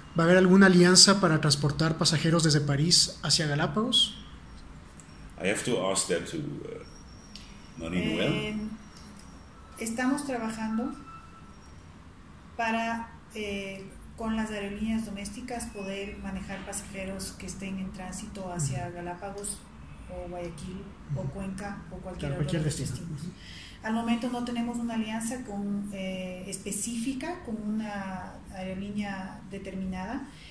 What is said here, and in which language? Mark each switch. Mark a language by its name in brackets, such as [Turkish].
[Spanish] ¿Va a haber alguna alianza para transportar pasajeros desde París hacia Galápagos? [English] I have to ask that to Marie-Noël. [Spanish] Estamos trabajando para con las aerolíneas domésticas poder manejar pasajeros que estén en tránsito hacia Galápagos o Guayaquil o Cuenca o cualquier, claro, cualquier otro destino. Al momento no tenemos una alianza con específica con una aerolínea determinada.